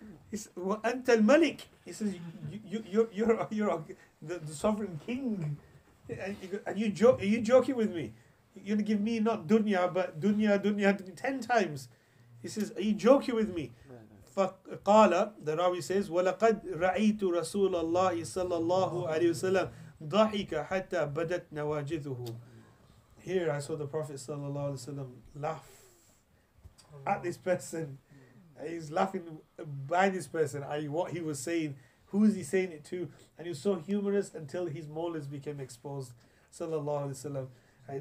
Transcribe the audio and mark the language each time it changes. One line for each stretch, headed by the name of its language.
English: He says,
Arabic: وَأَنْتَ الْمَلِكِ.
English: He says, you're the sovereign king. Are you joking with me? You're going to give me not dunya, but dunya 10 times. He says, are you joking with me?
Arabic: فَقَالَ.
English: The Rawi says,
Arabic: وَلَقَدْ رَأَيْتُ رَسُولَ اللَّهِ صَلَّى اللَّهُ عَلَيْهِ وَسَلَّمْ ضَحِكَ حَتَّى بَدَتْ نَوَاجِذُهُ.
English: Here I saw the Prophet sallallahu alayhi wa sallam laugh at this person. He's laughing by this person, what he was saying, who is he saying it to, and he was so humorous until his molars became exposed, sallallahu alaihi wasallam.